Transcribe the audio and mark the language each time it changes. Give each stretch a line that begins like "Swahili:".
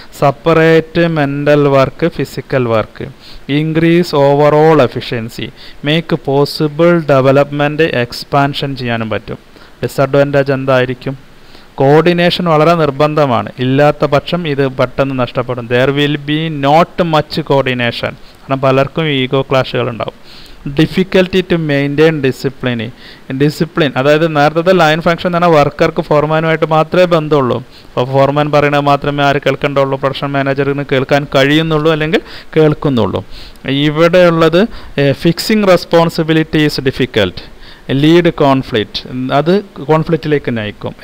English: Separate mental work, physical work. Increase overall efficiency, make possible development expansion
Malayalam: ചെയ്യാനും പറ്റും. Disadvantage എന്തായിരിക്കും, coordination വളരെ നിർബന്ധമാണ്. ഇല്ലാത്ത പക്ഷം ഇത് പെട്ടെന്ന് നഷ്ടപ്പെടും.
English: There will be not much coordination.
Malayalam: കാരണം പലർക്കും ego ക്ലാഷുകളുണ്ടാവും.
English: difficulty to maintain discipline,
Malayalam: അതായത് നേരത്തെ ലൈൻ ഫങ്ഷൻ തന്നെ വർക്കർക്ക് ഫോർമാനുമായിട്ട് മാത്രമേ ബന്ധമുള്ളൂ. അപ്പോൾ ഫോർമാൻ പറയണത് മാത്രമേ ആര് കേൾക്കേണ്ടുള്ളൂ, പ്രൊഡക്ഷൻ മാനേജറിന് കേൾക്കാൻ കഴിയുന്നുള്ളൂ അല്ലെങ്കിൽ കേൾക്കുന്നുള്ളൂ.
English: ഇവിടെയുള്ളത് fixing responsibility is difficult, lead conflict,
Malayalam: അത് കോൺഫ്ലിക്റ്റിലേക്ക് നയിക്കും.